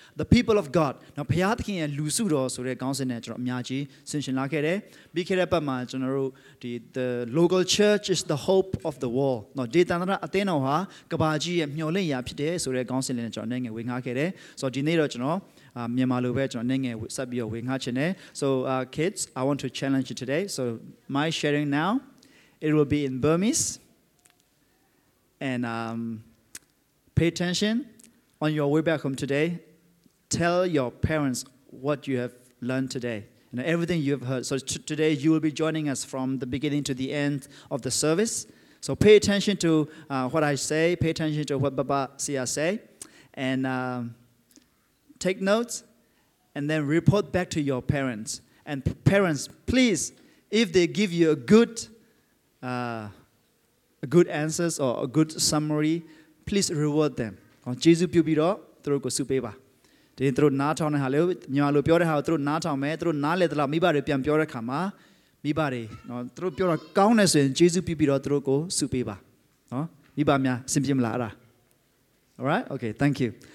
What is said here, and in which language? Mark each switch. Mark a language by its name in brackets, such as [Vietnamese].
[English] The People of God [Burmese] နော်ဘုရားသခင်ရဲ့လူစုတော်ဆိုတဲ့ခေါင်းစဉ်နဲ့ကျွန်တော်အများကြီးဆင်ခြင်လာခဲ့တယ်ပြီးခဲ့တဲ့ပတ်မှာကျွန်တော်တို့ဒီ [English] The Local Church is the Hope of the World [Burmese] နော်ဒေသန္တရအသင်းတော်ဟာကမ္ဘာကြီးရဲ့မျှော်လင့်ရာဖြစ်တယ်ဆိုတဲ့ခေါင်းစဉ်နဲ့ကျွန်တော်နိုင်ငံဝေငှခဲ့တယ်ဆိုတော့ဒီနေ့တော့ကျွန်တော်မြန်မာလိုပဲကျွန်တော်နိုင်ငံဆက်ပြီးဝေငှခြင်းနဲ့ [English] So kids I want to challenge you today so my sharing nowIt will be in Burmese. And pay attention on your way back home today. Tell your parents what you have learned today. You know, everything you have heard. So today you will be joining us from the beginning to the end of the service. So pay attention to what I say. Pay attention to what Baba Sia say. And take notes and then report back to your parents. And parents, please, if they give you a good answers or a good summary, please reward them. [Burmese] Jesus ပြုပြီးတော့သူတို့ကိုစုပေးပါ။ဒီသူတို့နားထောင်တဲ့ဟာလေမြန်မာလိုပြောတဲ့ဟာကိုသူတို့နားထောင်မယ်သူတို့နားလည်သလားမိဘတွေပြန်ပြောတဲ့ခါမှာမိဘတွေနော်သူတို့ပြောတော့ကောင်းနေဆိုရင် Jesus ပြုပြီးတော့သူတို့ကိုစုပေးပါ။နော်မိဘများအဆင်ပြေမလားအဲ့ဒါ [English] Alright? Okay, thank you.